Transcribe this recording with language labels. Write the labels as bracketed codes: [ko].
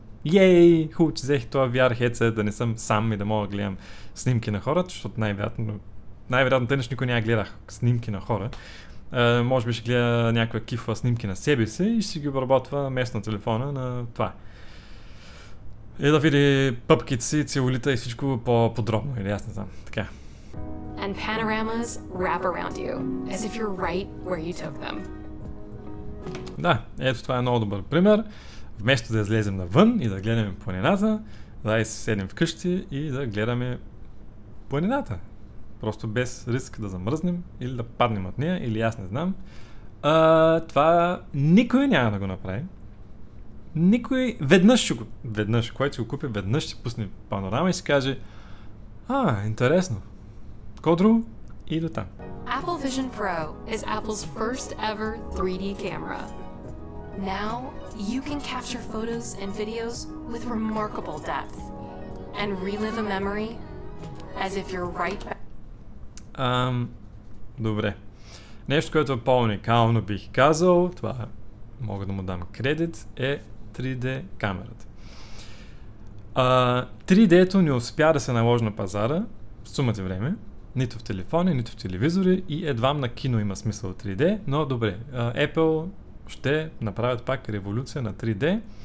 [bg] Йей, хубаво, че взех това VR headset, да не съм сам и да мога да гледам снимки на хората, защото най-вероятно тъй никой няма гледах снимки на хора. Може би ще гледа някаква кифла снимки на себе си и ще ги обработва местно телефона на това. И да види пъпките си, целулита и всичко по-подробно, или аз не знам, така. [en] And panoramas wrap around you, as if you're right where you took them. [bg] Да, ето това е много добър пример. Вместо да излезем навън и да гледаме планината, да и седнем вкъщи и да гледаме планината. Просто без риск да замръзнем или да паднем от нея, или аз не знам. Това никой няма да го направи. Никой веднъж ще го... Веднъж, който си го купи, веднъж ще пусне панорама и си каже: а, интересно. Ко друго? И до там. [en] Apple Vision Pro is Apple's first ever 3D camera. Now you can capture photos and videos with remarkable depth and relive a memory as if you're right back. [bg] Добре. Нещо, което е по-уникално бих казал, това мога да му дам кредит, е 3D камерата. 3D-то не успя да се наложи на пазара в сумата време, нито в телефони, нито в телевизори и едвам на кино има смисъл 3D, но добре, Apple ще направят пак революция на 3D.